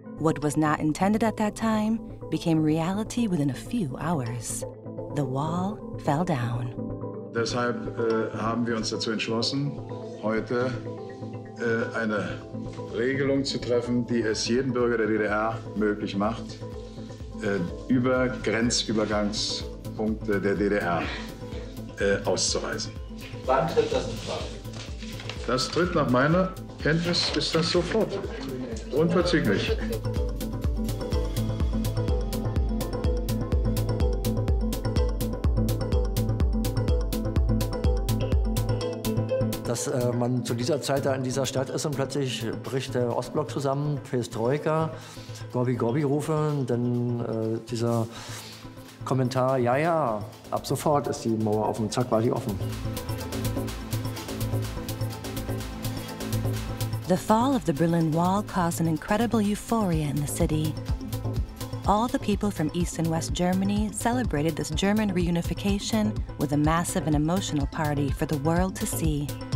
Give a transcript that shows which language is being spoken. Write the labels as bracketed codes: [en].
[en] What was not intended at that time became reality within a few hours. The wall fell down. [de] Deshalb haben wir uns dazu entschlossen, heute eine Regelung zu treffen, die es jedem Bürger der DDR möglich macht, über Grenzübergangspunkte der DDR auszureisen. Wann tritt das in Kraft? Das tritt nach meiner Kenntnis, ist das sofort. Unverzüglich. Dass man zu dieser Zeit da in dieser Stadt ist und plötzlich bricht der Ostblock zusammen, Perestroika, Gorbi-Gorbi-Rufe, dann dieser Kommentar, ja, ja, ab sofort ist die Mauer offen, zack, war die offen. [en] The fall of the Berlin Wall caused an incredible euphoria in the city. All the people from East and West Germany celebrated this German reunification with a massive and emotional party for the world to see.